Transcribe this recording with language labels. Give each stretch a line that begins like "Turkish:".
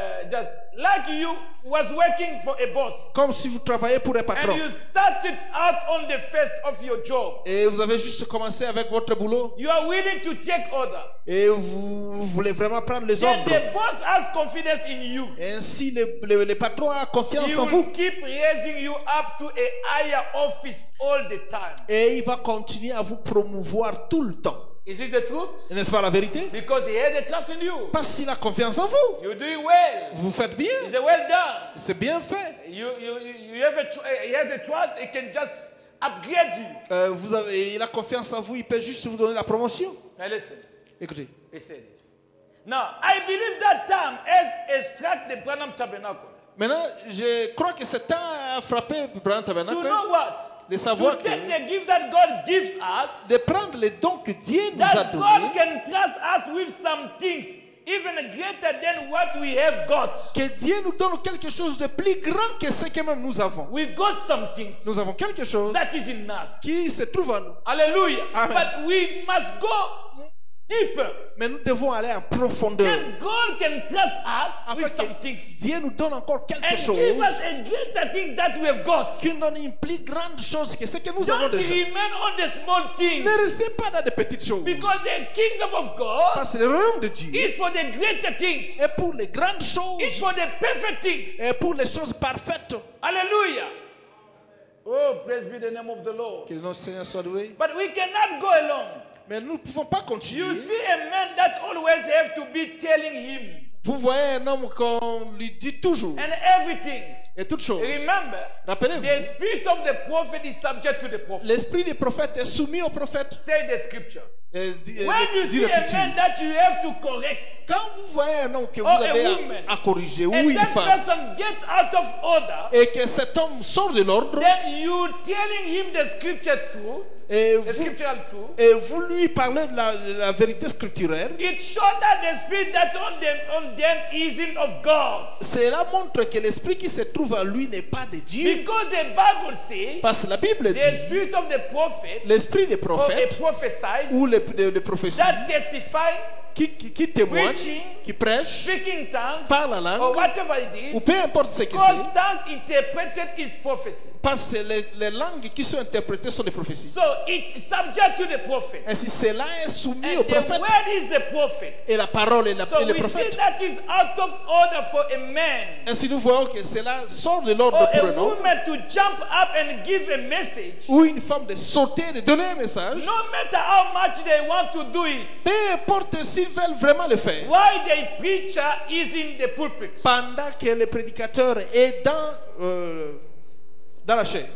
English: just like you was working for a boss,
French: comme si vous travaillez pour un patron,
English: and you started out on the face of your job,
French: et vous avez juste commencé avec votre boulot,
English: you are willing to take order,
French: et vous voulez vraiment prendre les ordres,
English: then the boss has confidence in you,
French: et ainsi le patron a confiance
English: he
French: en vous,
English: he will keep raising you up to a higher office all the time,
French: et il va continuer à vous promouvoir tout le temps.
English: Is it the truth?
French: N'est-ce pas la vérité?
English: Because he had a trust in you.
French: Parce qu'il a confiance en vous.
English: You do well.
French: Vous faites bien.
English: It's well done.
French: C'est bien fait.
English: You have a trust. He can just upgrade you.
French: Vous avez, il a confiance en vous. Il peut juste vous donner la promotion.
English: Now listen.
French: Écoutez.
English: He said this. Now I believe that time has struck the Branham Tabernacle.
French: Maintenant, je crois que c'est un frappé pour un tabernacle.
English: To know what?
French: De savoir
English: to take the gift that God gives us,
French: de prendre les dons que Dieu nous a donnés.
English: God can trust us with some things even greater than what we have got.
French: Que Dieu nous donne quelque chose de plus grand que ce que même nous avons.
English: We got some things.
French: Nous avons quelque chose
English: that is in us.
French: Qui se trouve en nous. Alléluia. Amen.
English: But we must go deeper.
French: Mais nous devons aller en profondeur.
English: Then God can bless us with some things.
French: Dieu nous donne encore quelque
English: and
French: chose.
English: And give us a greater thing that we have got.
French: Qui nous donne une plus grande chose que ce que nous
English: don't
French: avons déjà.
English: Don't remain on the small things.
French: Ne restez pas dans des petites choses.
English: Because the kingdom of God,
French: parce que le royaume de Dieu,
English: is for the greater things.
French: Et pour les grandes choses.
English: It's for the perfect things.
French: Et pour les choses parfaites.
English: Alléluia. Oh, praise be the name of the Lord.
French: Que notre Seigneur soit loué.
English: But we cannot go alone.
French: Mais nous ne pouvons pas continuer.
English: You see a man that always have to be telling him.
French: Vous voyez un homme qu'on lui dit toujours.
English: And everything.
French: Et toutes choses.
English: Remember.
French: Rappelez-vous.
English: The spirit of the prophet is subject to the prophet.
French: L'esprit du prophète est soumis au prophète.
English: Say the scripture. When you see a man that you have to correct.
French: Quand vous voyez un homme que vous avez à corriger ou une femme.
English: And that person gets out of order.
French: Et que cet homme sort de l'ordre.
English: Then you telling him the scripture too.
French: Et vous lui parlez de la vérité scripturaire.
English: It shows that the spirit that on them isn't of God.
French: Cela montre que l'esprit qui se trouve en lui n'est pas de Dieu.
English: Because the Bible says.
French: Parce que la Bible dit.
English: The spirit of the prophet.
French: L'esprit des prophètes.
English: Or a prophesy.
French: Ou les prophéties.
English: That testify.
French: Qui témoigne, qui prêche,
English: speaking tongues,
French: parle la langue,
English: or whatever it is,
French: ou peu importe ce que c'est,
English: interpreted is prophecy.
French: Parce que les langues qui sont interprétées sont des prophéties.
English: So it's subject to the prophet.
French: Et si cela est soumis
English: and
French: au prophète,
English: the word is the prophet.
French: Et la parole est
English: so
French: le prophète.
English: So we say that is out of order for a man.
French: Et si nous voyons que cela sort de l'ordre
English: or
French: pour un homme,
English: a woman to jump up and give a message,
French: ou une femme de sauter de donner un message,
English: no matter how much they want to do it,
French: peu importe si ils veulent vraiment le faire.
English: Why the preacher is in the pulpit?
French: Pendant que le prédicateur est dans la chaire.